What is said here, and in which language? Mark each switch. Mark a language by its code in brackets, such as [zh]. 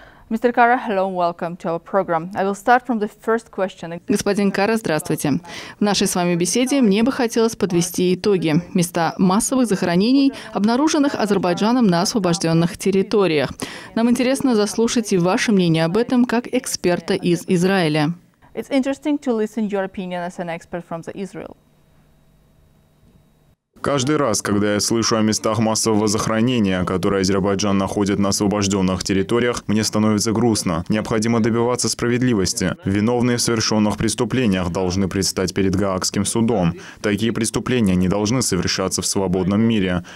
[en] Mr. Kara, hello, welcome to our program. I will start from the first question. [ru] Господин Кара, здравствуйте. В нашей с вами беседе мне бы хотелось подвести итоги. Места массовых захоронений, обнаруженных Азербайджаном на освобожденных территориях. Нам интересно заслушать и ваше мнение об этом как эксперта из Израиля. [en] It's interesting to listen your opinion as an expert from the Israel. [ru] Каждый раз, когда я слышу о местах массового захоронения, которые Азербайджан находит на освобожденных территориях, мне становится грустно. Необходимо добиваться справедливости. Виновные в совершенных преступлениях должны предстать перед Гаагским судом. Такие преступления не должны совершаться в свободном мире.